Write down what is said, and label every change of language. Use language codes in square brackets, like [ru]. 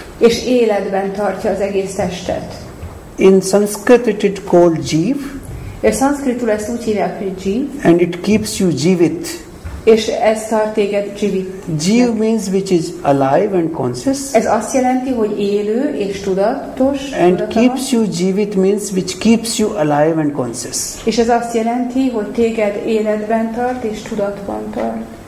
[hu] És életben tartja az egész testet. [en] In Sanskrit it is called jeev. [hu] És szanszkritul ezt úgy hívják, hogy jeev. [en] And it keeps you jeevit. [hu] És ez tart téged jeevit. [en] Jeev means which is alive and conscious. [hu] Ez azt jelenti, hogy élő és tudatos. [en] And keeps you jeevit means which keeps you alive and conscious. [hu] És ez azt jelenti, hogy téged életben tart és tudatban tart.